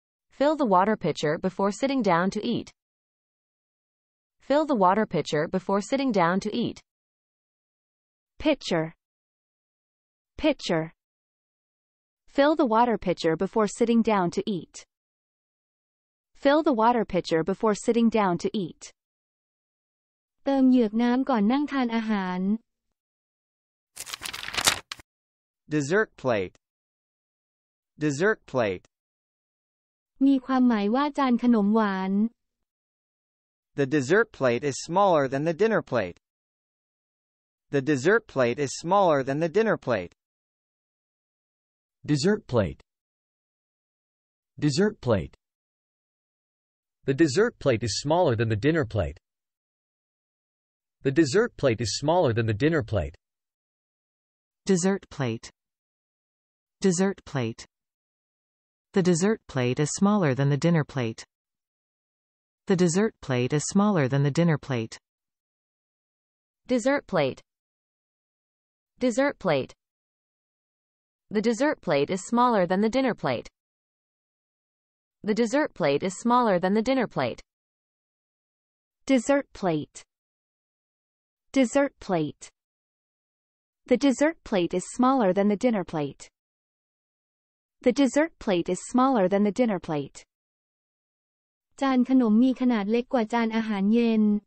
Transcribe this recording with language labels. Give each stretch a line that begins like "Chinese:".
English: Fill the water pitcher before sitting down to eat. Fill the water pitcher before sitting down to eat. Pitcher. Pitcher. Fill the water pitcher before sitting down to eat. Fill the water pitcher before sitting down to eat.
Thai: เติมเหยือกน้ำก่อนนั่งทานอาหาร
English: Dessert plate. Dessert plate.
Thai: มีความหมายว่าจานขนมหวาน
English: The dessert plate is smaller than the dinner plate. The dessert plate is smaller than the dinner plate. Dessert plate. Dessert plate. The dessert plate is smaller than the dinner plate. The dessert plate is smaller than the dinner plate. Dessert plate. Dessert plate. The dessert plate is smaller than the dinner plate. The dessert plate is smaller than the dinner plate. Dessert plate. Dessert plate. The dessert plate is smaller than the dinner plate. The dessert plate is smaller than the dinner plate. Dessert plate. Dessert plate. The dessert plate is smaller than the dinner plate. The dessert plate is smaller than the dinner plate.
Thai: จานขนมมีขนาดเล็กกว่าจานอาหารเย็น